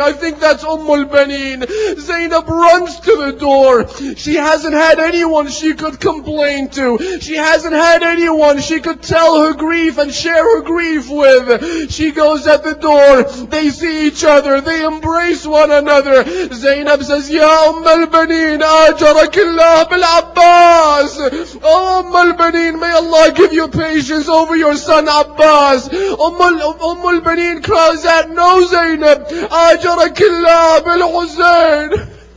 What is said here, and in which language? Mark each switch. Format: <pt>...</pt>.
<en>I think that's أُمُّ الْبَنِينَ. Zainab runs to the door. She hasn't had anyone she could complain to. She hasn't had anyone she could tell her grief and share her grief with. She goes at the door. They see each other. They embrace one another. Zainab says,</en> <ar>يَا أُمَّ الْبَنِينَ أَجَرَكِ اللَّهُ بِالْعَبَّاسِ.</ar> <en>Oh, أم البنين, may Allah give you patience over your son Abbas. أم البنين cries out, no Zainab,</en> <ar>أجرك الله بالحسين.</ar>